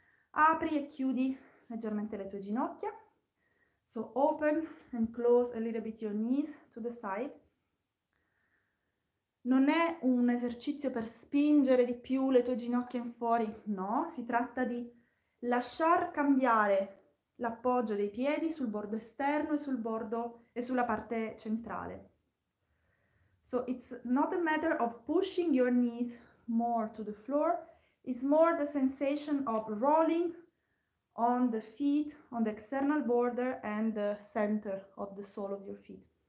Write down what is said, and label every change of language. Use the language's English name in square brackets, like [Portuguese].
[Italian] Apri e chiudi leggermente le tue ginocchia. [English] So open and close a little bit your knees to the side. [Italian] Non è un esercizio per spingere di più le tue ginocchia in fuori, no, si tratta di lasciar cambiare l'appoggio dei piedi sul bordo esterno e sul bordo e sulla parte centrale. [English] So it's not a matter of pushing your knees more to the floor, it's more the sensation of rolling on the feet, on the external border and the center of the sole of your feet.